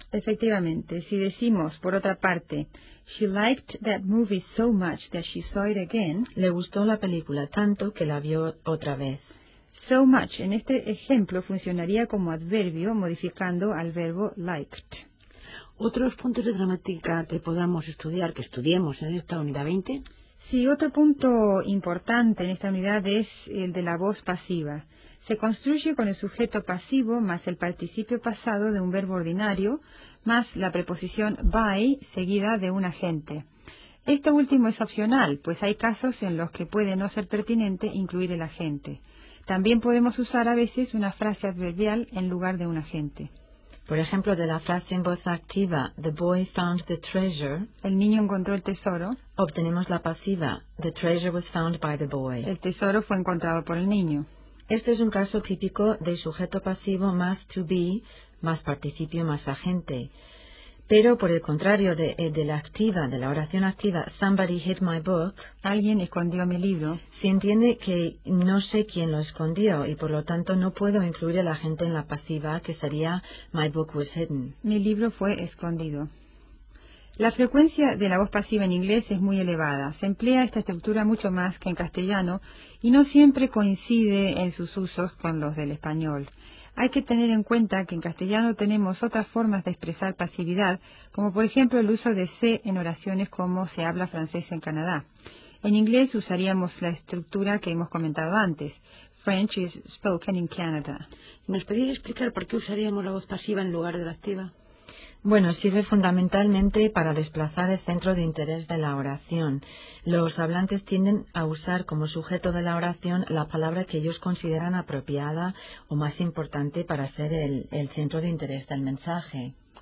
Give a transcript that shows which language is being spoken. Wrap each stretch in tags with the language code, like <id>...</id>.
<es>Efectivamente, si decimos, por otra parte,</es> <en>she liked that movie so much that she saw it again.</en> <es>Le gustó la película tanto que la vio otra vez. So much, en este ejemplo, funcionaría como adverbio modificando al verbo liked. ¿Otros puntos de gramática que podamos estudiar, que estudiemos en esta unidad 20? Sí, otro punto importante en esta unidad es el de la voz pasiva. Se construye con el sujeto pasivo más el participio pasado de un verbo ordinario, más la preposición by seguida de un agente. Este último es opcional, pues hay casos en los que puede no ser pertinente incluir el agente. También podemos usar a veces una frase adverbial en lugar de un agente. Por ejemplo, de la frase en voz activa,</es> <en>the boy found the treasure,</en> <es>el niño encontró el tesoro, obtenemos la pasiva,</es> <en>the treasure was found by the boy,</en> <es>el tesoro fue encontrado por el niño. Este es un caso típico de sujeto pasivo más to be, más participio, más agente. Pero, por el contrario, de la oración activa,</es> <en>somebody hid my book,</en> <es>alguien escondió mi libro, se entiende que no sé quién lo escondió y, por lo tanto, no puedo incluir a la gente en la pasiva, que sería</es> <en>my book was hidden.</en> <es>Mi libro fue escondido. La frecuencia de la voz pasiva en inglés es muy elevada. Se emplea esta estructura mucho más que en castellano y no siempre coincide en sus usos con los del español. Hay que tener en cuenta que en castellano tenemos otras formas de expresar pasividad, como por ejemplo el uso de se en oraciones como se habla francés en Canadá. En inglés usaríamos la estructura que hemos comentado antes.</es> <en>French is spoken in Canada.</en> <es>¿Nos podrías explicar por qué usaríamos la voz pasiva en lugar de la activa? Bueno, sirve fundamentalmente para desplazar el centro de interés de la oración. Los hablantes tienden a usar como sujeto de la oración la palabra que ellos consideran apropiada o más importante para ser el centro de interés del mensaje.</es>